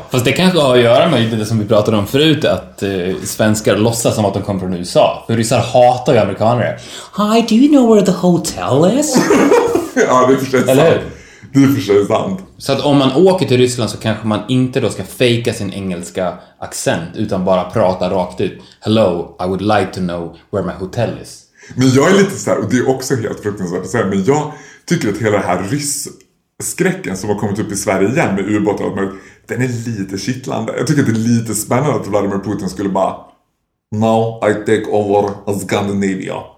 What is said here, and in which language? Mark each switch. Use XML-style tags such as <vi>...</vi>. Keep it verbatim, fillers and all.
<sv>Fast det kanske har att göra med det som vi pratade om förut, att eh, svenskar låtsas som att de kommer från U S A. För ryssar hatar ju amerikaner.</sv> <en>Hi, do you know where the hotel is?</en> <sv>Ja, det är för sig sant. Eller hur? Det är för sig sant. Så att om man åker till Ryssland så kanske man inte då ska fejka sin engelska accent, utan bara prata rakt ut.</sv> <en>Hello, I would like to know where my hotel is.</en> <sv>Men jag är lite så här, och det är också helt fruktansvärt att säga, men jag tycker att hela den här rysskräcken som har kommit upp i Sverige igen med ubåtar och allt möjligt, den är lite kittlande. Jag tycker att det är lite spännande att Vladimir Putin skulle bara,</sv> <en>now I take over Scandinavia.</en>